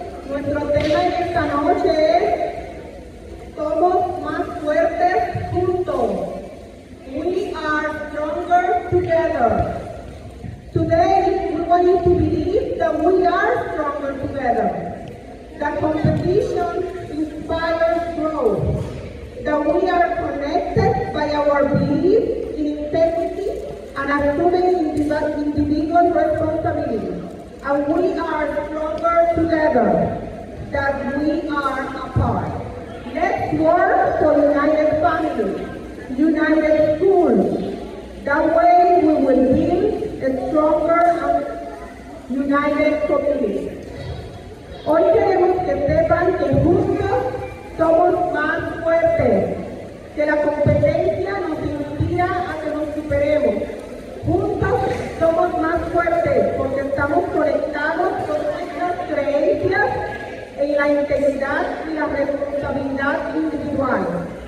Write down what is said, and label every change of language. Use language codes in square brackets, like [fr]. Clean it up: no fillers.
[es] Nuestro tema en esta noche es Somos más fuertes juntos. [en] We are stronger together. Today, we want you to believe that we are stronger together. That competition inspires growth. That we are connected by our belief in integrity and assuming individual responsibility. And we are stronger together than we are apart. Let's work for united families, united schools. That way we will build a stronger and united community. [es] Hoy queremos que sepan que juntos somos más fuertes, que la competencia nos inspira a que nos superemos. Juntos somos más fuertes porque estamos conectados con nuestras creencias en la integridad y la responsabilidad individual.